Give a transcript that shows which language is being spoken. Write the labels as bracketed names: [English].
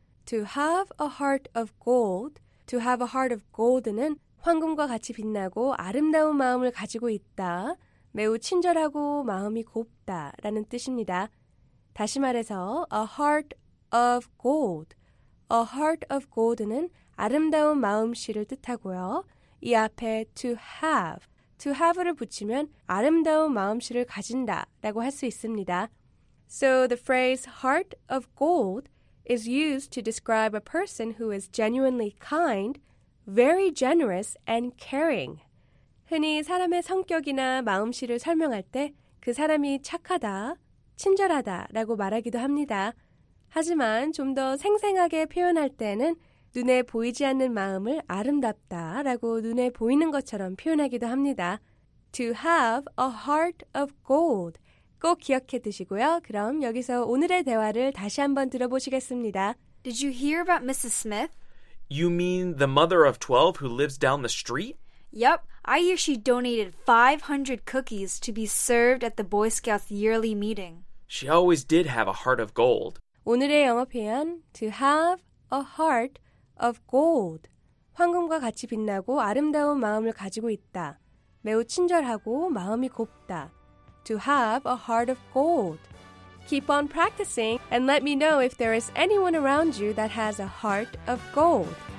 [English] To have a heart of gold, [Korean] to have a heart of gold는 황금과 같이 빛나고 아름다운 마음을 가지고 있다, 매우 친절하고 마음이 곱다라는 뜻입니다. 다시 말해서 [English] a heart of gold, a heart of gold는 [Korean] 아름다운 마음씨를 뜻하고요. 이 앞에 to have를 붙이면 아름다운 마음씨를 가진다 라고 할 수 있습니다. [English] So the phrase heart of gold is used to describe a person who is genuinely kind, very generous and caring. [Korean] 흔히 사람의 성격이나 마음씨를 설명할 때 그 사람이 착하다, 친절하다라고 말하기도 합니다. 하지만 좀 더 생생하게 표현할 때는 눈에 보이지 않는 마음을 아름답다라고 눈에 보이는 것처럼 표현하기도 합니다. [English] To have a heart of gold. [Korean] 꼭 기억해 두시고요. 그럼 여기서 오늘의 대화를 다시 한번 들어보시겠습니다. [English] Did you hear about Mrs. Smith? You mean the mother of 12 who lives down the street? Yep, I hear she donated 500 cookies to be served at the Boy Scouts yearly meeting. She always did have a heart of gold. [Korean] 오늘의 영어 표현, [English] to have a heart of gold. [Korean] 황금과 같이 빛나고 아름다운 마음을 가지고 있다. 매우 친절하고 마음이 곱다. [English] To have a heart of gold. Keep on practicing and let me know if there is anyone around you that has a heart of gold.